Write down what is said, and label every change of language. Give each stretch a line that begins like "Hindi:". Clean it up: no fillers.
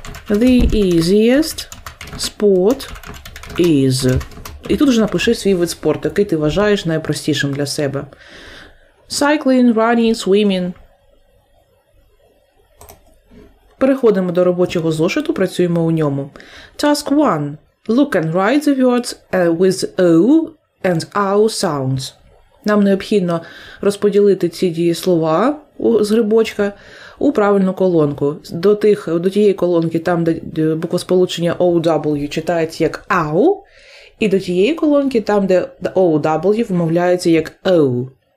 English: The easiest sport is...
Ukrainian: І тут вже напиши свій вид спорту, який ти вважаєш найпростішим для себе.
English: Cycling, running, swimming...
Ukrainian: Переходимо до робочого зошиту, працюємо у ньому.
English: Task 1. Look and write the words with O and O sounds.
Ukrainian: Нам необхідно розподілити ці дієслова з грибочка у правильну колонку. До тієї колонки, там, де буквосполучення OW читається як AU, і до тієї колонки, там, де OW вимовляється як O.